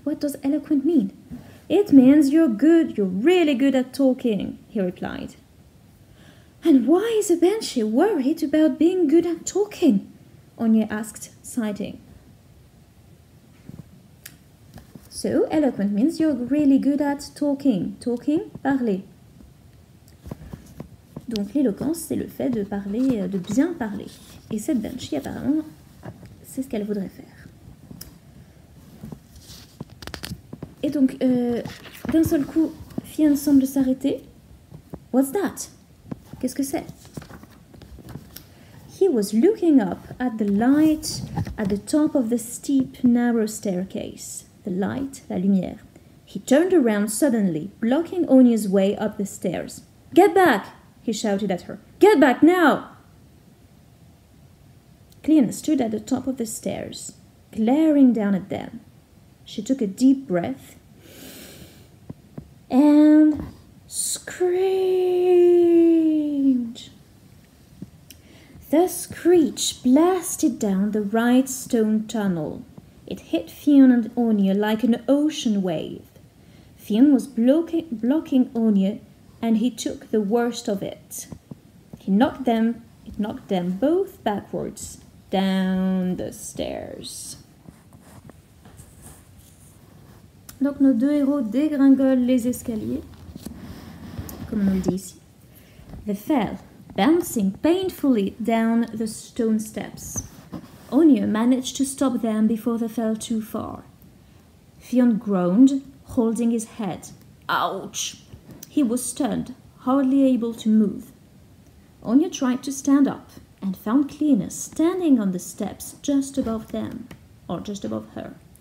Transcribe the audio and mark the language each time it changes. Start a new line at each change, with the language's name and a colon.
English: What does eloquent mean? It means you're good, you're really good at talking, he replied. And why is a banshee worried about being good at talking? Onya asked, sighing. So, eloquent means you're really good at talking. Talking, parler.
French: Donc l'éloquence, c'est le fait de parler, de bien parler. Et cette banshee, apparemment, c'est ce qu'elle voudrait faire. Et donc, d'un seul coup, Fionn semble s'arrêter.
English: What's that?
French: Qu'est-ce que c'est?
English: He was looking up at the light at the top of the steep, narrow staircase. The light,
French: la lumière.
English: He turned around suddenly, blocking Onya's way up the stairs. Get back! He shouted at her. Get back now! Cleon stood at the top of the stairs, glaring down at them. She took a deep breath and screamed. The screech blasted down the right stone tunnel. It hit Fionn and Onya like an ocean wave. Fionn was blocking Onya, and he took the worst of it. It knocked them both backwards down the stairs.
French: Donc nos deux héros dégringolent les escaliers, comme on le dit ici.
English: They fell, bouncing painfully down the stone steps. Onya managed to stop them before they fell too far. Fionn groaned, holding his head. Ouch! He was stunned, hardly able to move. Onya tried to stand up and found Cleona standing on the steps just above them, or just above her.